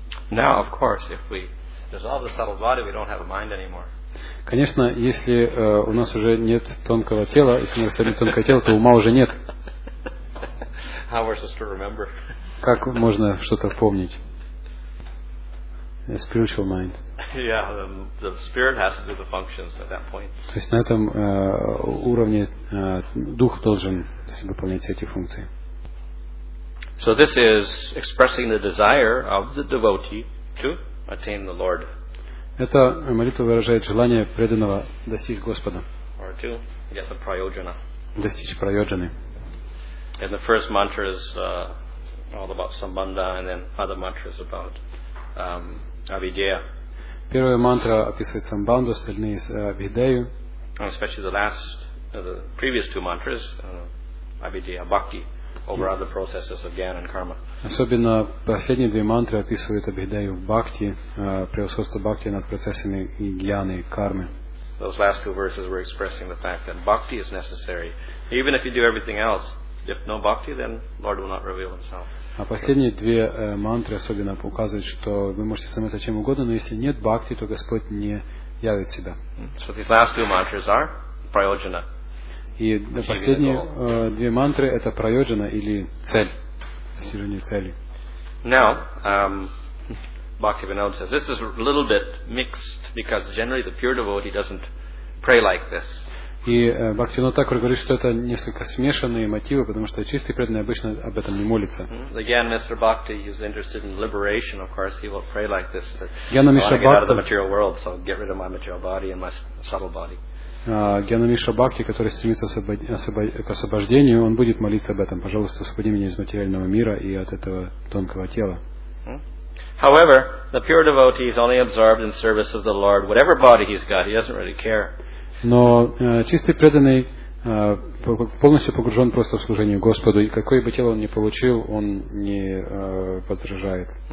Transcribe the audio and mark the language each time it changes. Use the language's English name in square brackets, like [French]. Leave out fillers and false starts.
[English] Now, of course, if we dissolve the subtle body, we don't have a mind anymore. [Russian] Конечно, если у нас уже нет тонкого тела, если мы растворим тонкое тело, то ума уже нет. [English] How are we supposed to remember? [Russian] Как можно что-то помнить? [English] A spiritual mind. Yeah, the spirit has to do the functions at that point. [Russian] То есть на этом уровне дух должен выполнять эти функции. [English] So this is expressing the desire of the devotee to attain the Lord. [Russian] Эта молитва выражает желание преданного достичь Господа. [English] Or to get the prayojana. [Russian] Достичь прайоджаны. [English] And the first mantra is all about sambandha, and then other mantras about avidya. [Russian] Первая мантра описывает самбанду, остальные авидею. [English] And especially the last, the previous two mantras, avidya, bhakti. Over other processes of gyan and karma. [Russian] Особенно последние две мантры описывают абхидаю бхакти, превосходство бхакти над процессами гьяны и кармы. [English] Those last two verses were expressing the fact that bhakti is necessary. Even if you do everything else, if no bhakti, then Lord will not reveal himself. [Russian] А последние две мантры особенно указывают, что вы можете заниматься чем угодно, но если нет бхакти, то Господь не явит себя. [English] So these last two mantras are prayojana. [Russian] И последние две мантры — это прайоджана или цель, достижение цели. [English] Now, Bhaktivinoda says, this is a little bit mixed, because generally the pure devotee doesn't pray like this. [Russian] И Бхактивинода Такур говорит, что это несколько смешанные мотивы, потому что чистый преданный обычно об этом не молится. [English] Again, Mr. Bhakti is interested in liberation, of course, he will pray like this. Gyanamishra Bhakti. I want to get out of the material world, so get rid of my material body and my subtle body. [Russian] Гьянамишра Бхакти, который стремится к освобождению, он будет молиться об этом. Пожалуйста, освободи меня из материального мира и от этого тонкого тела. [English] However, the pure devotee is only absorbed in service of the Lord. Whatever body he's got, he doesn't really care. [Russian] Но чистый преданный полностью погружен просто в служение Господу, и какое бы тело он ни получил, он не возражает.